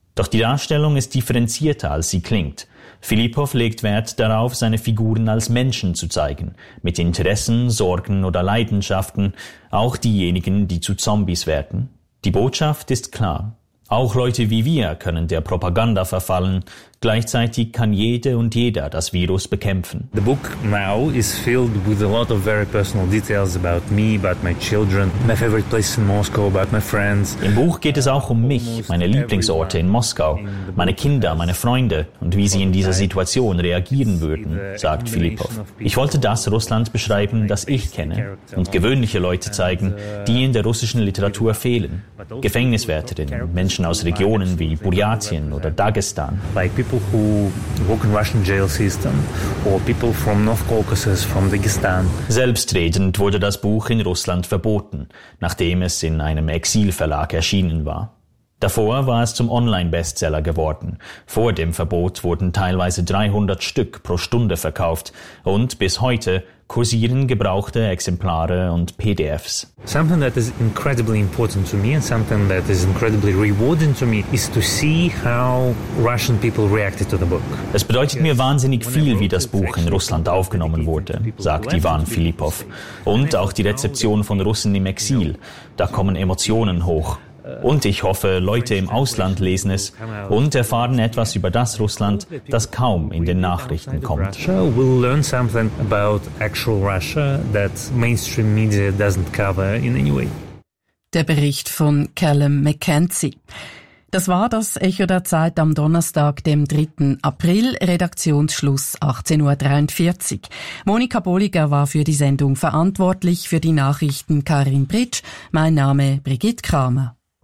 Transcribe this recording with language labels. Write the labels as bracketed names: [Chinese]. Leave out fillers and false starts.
[German] Doch die Darstellung ist differenzierter, als sie klingt. Filipow legt Wert darauf, seine Figuren als Menschen zu zeigen, mit Interessen, Sorgen oder Leidenschaften, auch diejenigen, die zu Zombies werden. Die Botschaft ist klar. Auch Leute wie wir können der Propaganda verfallen. Gleichzeitig kann jede und jeder das Virus bekämpfen. [English] The book now is filled with a lot of very personal details about me, about my children, my favorite place in Moscow, about my friends. [German] Im Buch geht es auch um mich, meine Lieblingsorte in Moskau, meine Kinder, meine Freunde und wie sie in dieser Situation reagieren würden, sagt Filipow. Ich wollte das Russland beschreiben, das ich kenne, und gewöhnliche Leute zeigen, die in der russischen Literatur fehlen. Gefängniswärterinnen, Menschen aus Regionen wie Burjatien oder Dagestan. [English] People who work in Russian jail system or people from North Caucasus, from Dagestan. [German] Selbstredend wurde das Buch in Russland verboten, nachdem es in einem Exilverlag erschienen war. Davor war es zum Online-Bestseller geworden. Vor dem Verbot wurden teilweise 300 Stück pro Stunde verkauft und bis heute kursieren gebrauchte Exemplare und PDFs. [English] Something that is incredibly important to me and something that is incredibly rewarding to me is to see how Russian people reacted to the book. [German] Es bedeutet mir wahnsinnig viel, wie das Buch in Russland aufgenommen wurde, sagt Ivan Filipow. Und auch die Rezeption von Russen im Exil. Da kommen Emotionen hoch. Und ich hoffe, Leute im Ausland lesen es und erfahren etwas über das Russland, das kaum in den Nachrichten kommt. [English] We'll learn something about actual Russia that mainstream media doesn't cover in any way. [German] Der Bericht von Callum McKenzie. Das war das Echo der Zeit am Donnerstag, dem 3. April, Redaktionsschluss 18.43 Uhr. Monika Bolliger war für die Sendung verantwortlich, für die Nachrichten Karin Britsch, mein Name Brigitte Kramer.